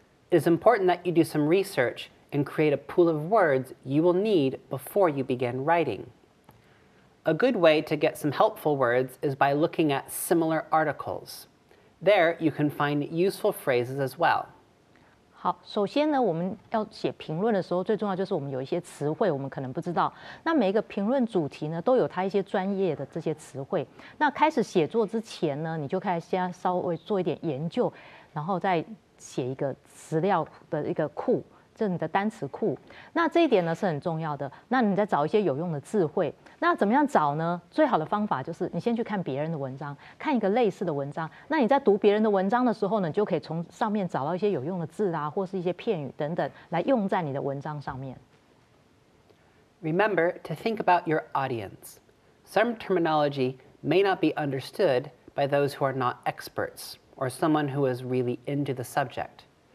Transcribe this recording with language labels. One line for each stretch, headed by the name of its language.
English: It is important that you do some research. And create a pool of words you will need before you begin writing. A good way to get some helpful words is by looking at similar articles. There, you can find useful phrases as well.
Chinese: 好，首先呢，我们要写评论的时候，最重要就是我们有一些词汇我们可能不知道。那每一个评论主题呢，都有它一些专业的这些词汇。那开始写作之前呢，你就开始先稍微做一点研究，然后再写一个资料的一个库。这你的单词库，那这一点呢是很重要的。那你再找一些有用的智慧，那怎么样找呢？最好的方法就是你先去看别人的文章，看一个类似的文章。那你在读别人的文章的时候呢，就可以从上面找到一些有用的字啊，或是一些片语等等，来用在你的文章上面。
English: Remember to think about your audience. Some terminology may not be understood by those who are not experts or someone who is really into the subject.